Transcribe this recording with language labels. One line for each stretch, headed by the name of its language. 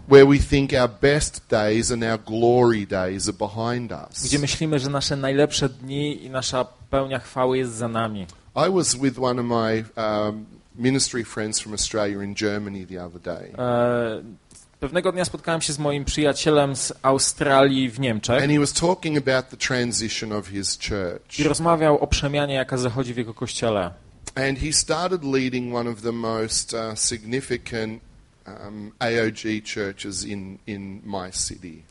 English: where we think our best days and our glory days are behind us.
Polish: Gdzie myślimy, że nasze najlepsze dni i nasza pełnia chwały jest za nami.
English: I was with one of my ministry friends from Australia in Germany the other day.
Polish: Pewnego dnia spotkałem się z moim przyjacielem z Australii w Niemczech.
English: And he was talking about the transition of his church.
Polish: I rozmawiał o przemianie, jaka zachodzi w jego kościele.
English: And he started leading one of the most significant AOG churches in my city.